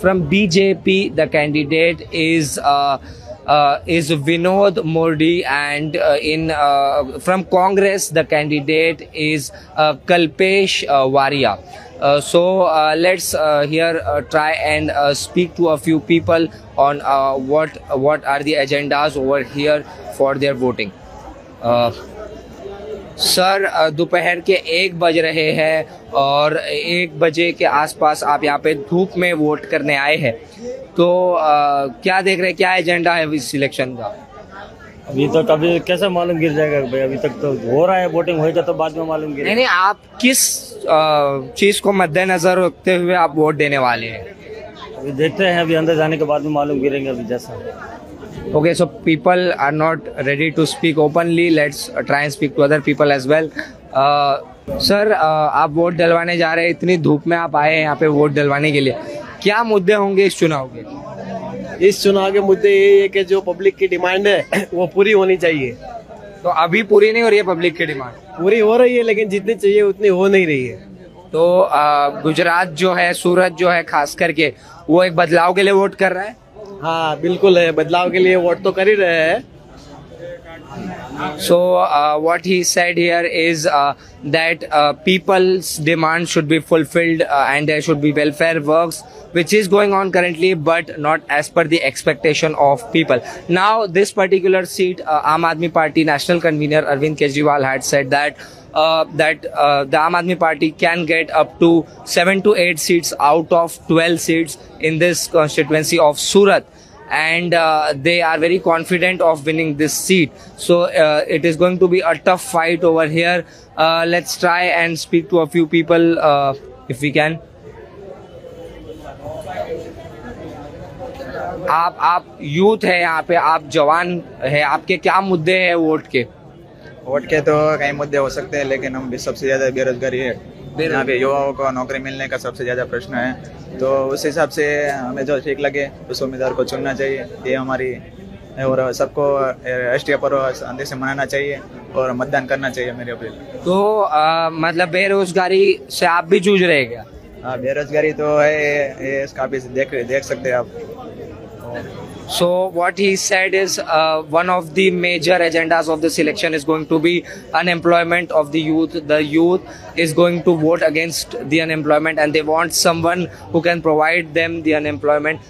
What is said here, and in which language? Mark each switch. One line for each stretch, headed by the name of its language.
English: From BJP, the candidate is Vinod Mordi, and from Congress, the candidate is Kalpesh Varia. Let's here try and speak to a few people on what are the agendas over here for their voting.
Hindi: Sir दोपहर के एक बज रहे हैं और एक बजे के आसपास आप यहाँ पे धूप में वोट करने आए हैं, तो क्या देख रहे हैं, क्या एजेंडा है इस इलेक्शन का? अभी तक अभी कैसे मालूम गिर जाएगा भाई, अभी तक तो हो रहा है, वोटिंग होएगा तो बाद में मालूम गिर। नहीं, आप किस चीज को मद्देनजर रखते हुए आप वोट देने वाले हैं? अभी देखते हैं, अभी अंदर जाने के बाद में मालूम गिरेंगे अभी जैसा।
English: Okay, so people are not ready to speak openly. Let's try and speak to other people as well.
Hindi: Sir, आप वोट डलवाने जा रहे हैं, इतनी धूप में आप आए हैं यहाँ पे वोट डलवाने के लिए, क्या मुद्दे होंगे इस चुनाव के? इस चुनाव के मुद्दे ये है कि जो पब्लिक की डिमांड है वो पूरी होनी चाहिए। तो अभी पूरी नहीं हो रही है पब्लिक की डिमांड? पूरी हो रही है, लेकिन जितनी चाहिए उतनी हो नहीं रही है। तो गुजरात जो है, सूरत जो है खास करके, वो एक बदलाव के लिए वोट कर रहा है? हाँ बिल्कुल है, बदलाव के लिए वोट तो कर ही रहे हैं।
English: So what he said here is that people's demand should be fulfilled and there should be welfare works, which is going on currently, but not as per the expectation of people. Now this particular seat, Aam Aadmi Party National Convener Arvind Kejriwal had said that the Aam Aadmi Party can get up to 7 to 8 seats out of 12 seats in this constituency of Surat. And they are very confident of winning this seat. So it is going to be a tough fight over here. Let's try and speak to a few people if we can.
Hindi: आप youth है यहाँ पे, आप जवान है, आपके क्या मुद्दे है वोट के? वोट के तो कई मुद्दे हो सकते हैं, लेकिन हम भी सबसे ज्यादा बेरोजगारी है, यहाँ पे युवाओं को नौकरी मिलने का सबसे ज्यादा प्रश्न है, तो उस हिसाब से हमें जो ठीक लगे उस उम्मीदवार को चुनना चाहिए। ये हमारी और सबको राष्ट्रीय पर्व अंदर से मनाना चाहिए और मतदान करना चाहिए, मेरे अपील। तो मतलब बेरोजगारी से आप भी जूझ रहे क्या? हाँ बेरोजगारी तो है, ये काफी देख सकते हैं आप।
English: So what he said is one of the major agendas of this election is going to be unemployment of the youth. The youth is going to vote against the unemployment and they want someone who can provide them the unemployment.